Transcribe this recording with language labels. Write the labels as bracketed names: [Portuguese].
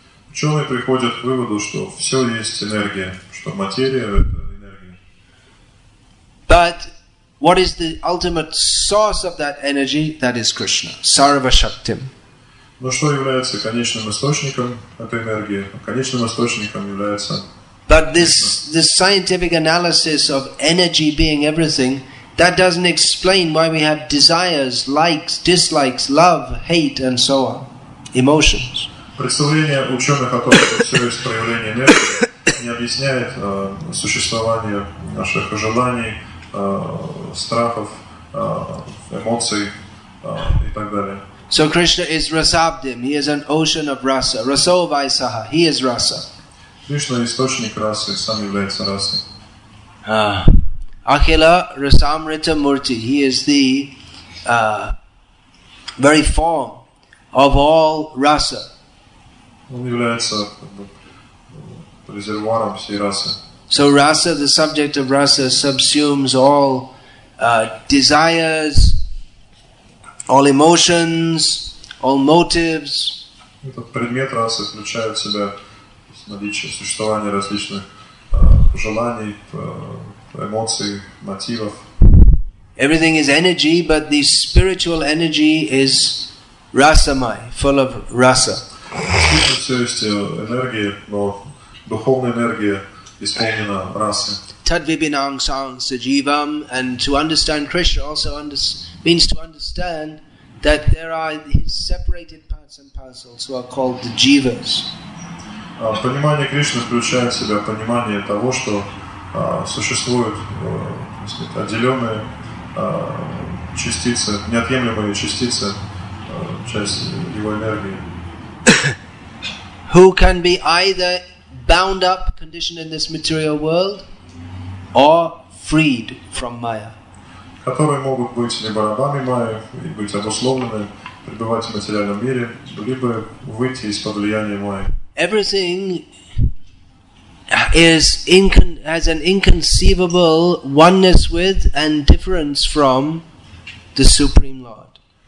[Russian] Ученые приходят к выводу, что все есть энергия, что материя — это энергия. [English] But what is the ultimate source of that energy? That is Krishna, Sarva-Shaktim. [Russian] Но что является конечным источником этой энергии? Конечным источником является. [English] But this scientific analysis of energy being everything, that doesn't explain why we have desires, likes, dislikes, love, hate, and so on, emotions. [Russian] Представление ученых о том, что все есть проявление энергии, не объясняет существование наших желаний, страхов, эмоций и так далее. [English] So Krishna is Rasabdim. He is an ocean of rasa. [Sanskrit] Raso vaisaha. [English] He is rasa. Krishna is [Russian] источник расы, сам является расой. [Sanskrit] Akhila Rasamrita Murti. [English] He is the very form of all rasa. [Russian] Он является резервуаром всей расы. [English] So rasa, the subject of rasa, subsumes all desires, all emotions, all motives. [Russian] Этот предмет расы включает в себя наличие, существование различных желаний, эмоций, мотивов. [English] Everything is energy, but the spiritual energy is rasamai, full of rasa. [Russian] Все есть энергия, но духовная энергия исполнена расы. [Sanskrit] Tadvibhinam sang sajivam, [English] and to understand Krishna also means to understand that there are his separated parts and parcels, who are called the jivas. [Russian] Понимание Кришны включает в себя понимание того, что существуют отделенные частицы, неотъемлемые частицы, часть его энергии. [English] Who can be either bound up, conditioned in this material world, or freed from Maya? [Russian] Которые могут быть либо рабами Майя и быть обусловлены, пребывать в материальном мире, либо выйти из-под влияния Майя. [English] Everything is has an inconceivable oneness with and difference from the Supreme Lord.